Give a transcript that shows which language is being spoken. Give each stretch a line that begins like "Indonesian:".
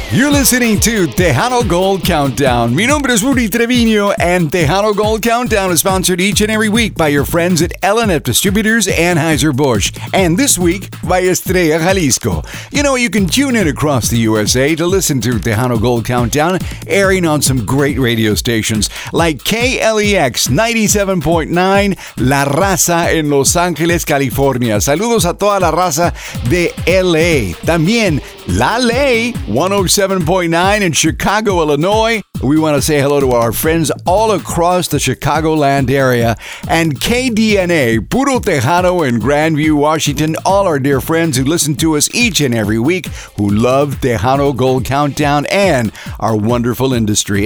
English: You're listening to Tejano Gold Countdown. Mi nombre es Rudy Treviño, and Tejano Gold Countdown is sponsored each and every week by your friends at L&F Distributors, Anheuser-Busch, and this week by Estrella Jalisco. You know, you can tune in across the USA to listen to Tejano Gold Countdown, airing on some great radio stations like KLEX 97.9, La Raza in Los Angeles, California.
Spanish: Saludos a toda la raza de L.A. También La Ley 107.9 in Chicago, Illinois.
English: We want to say hello to our friends all across the Chicagoland area. And KDNA, Puro Tejano in Grandview, Washington. All our dear friends who listen to us each and every week who love Tejano Gold Countdown and our wonderful industry.